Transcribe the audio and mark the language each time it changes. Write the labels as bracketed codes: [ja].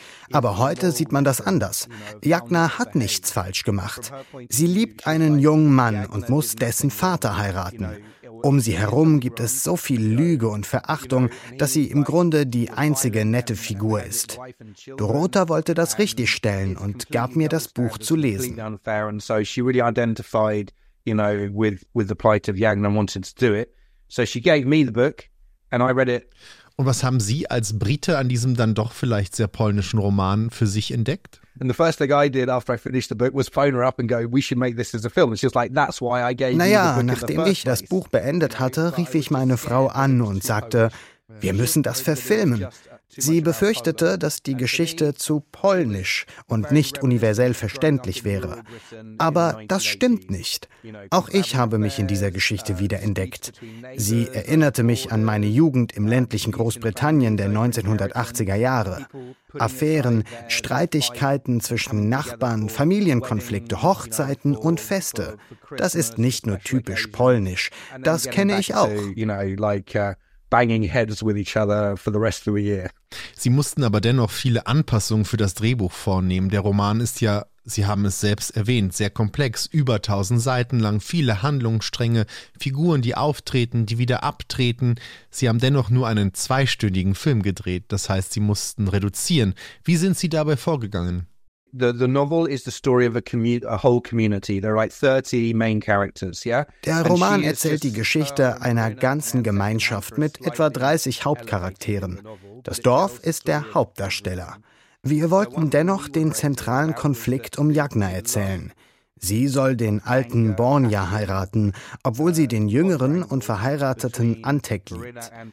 [de] Aber heute sieht man das anders. Jagna hat nichts falsch gemacht. Sie liebt einen jungen Mann und muss dessen Vater heiraten. Um sie herum gibt es so viel Lüge und Verachtung, dass sie im Grunde die einzige nette Figur ist. Dorota wollte das richtigstellen und gab mir das Buch zu lesen. [en] So she really identified, you know, with the plight of Jagna and wanted to do it. So she gave me the book and I read it. [de] Und was haben Sie als Brite an diesem dann doch vielleicht sehr polnischen Roman für sich entdeckt? Naja, nachdem ich das Buch beendet hatte, rief ich meine Frau an und sagte, wir müssen das verfilmen. Sie befürchtete, dass die Geschichte zu polnisch und nicht universell verständlich wäre. Aber das stimmt nicht. Auch ich habe mich in dieser Geschichte wiederentdeckt. Sie erinnerte mich an meine Jugend im ländlichen Großbritannien der 1980er Jahre. Affären, Streitigkeiten zwischen Nachbarn, Familienkonflikte, Hochzeiten und Feste. Das ist nicht nur typisch polnisch, das kenne ich auch. [en] Banging heads with each other for the rest of the year. [de] Sie mussten aber dennoch viele Anpassungen für das Drehbuch vornehmen. Der Roman ist ja, Sie haben es selbst erwähnt, sehr komplex, über 1000 Seiten lang, viele Handlungsstränge, Figuren, die auftreten, die wieder abtreten. Sie haben dennoch nur einen zweistündigen Film gedreht, das heißt, Sie mussten reduzieren. Wie sind Sie dabei vorgegangen? [en] The novel is the story of a whole community. There are like 30 main characters, yeah? [de] Der Roman erzählt die Geschichte einer ganzen Gemeinschaft mit etwa 30 Hauptcharakteren. Das Dorf ist der Hauptdarsteller. Wir wollten dennoch den zentralen Konflikt um Jagna erzählen. Sie soll den alten Bornja heiraten, obwohl sie den jüngeren und verheirateten Antek liebt.